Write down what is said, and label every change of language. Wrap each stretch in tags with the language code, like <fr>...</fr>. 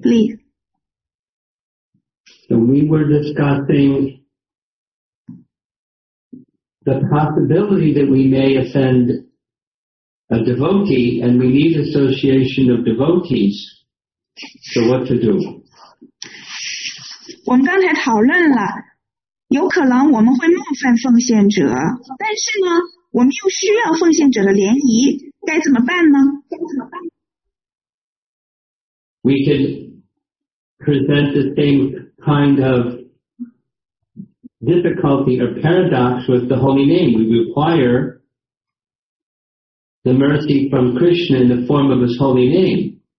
<en>Please. So we were discussing the possibility that we may offend a devotee, and we need association of devotees. So what to do?</en> <zh>我们刚才讨论了，有可能我们会冒犯奉献者，但是呢，我们又需要奉献者的联谊，该怎么办呢？</zh> <en>We can present the same kind of difficulty or paradox with the holy name. We require the mercy from Krishna in the form of his holy name.</en>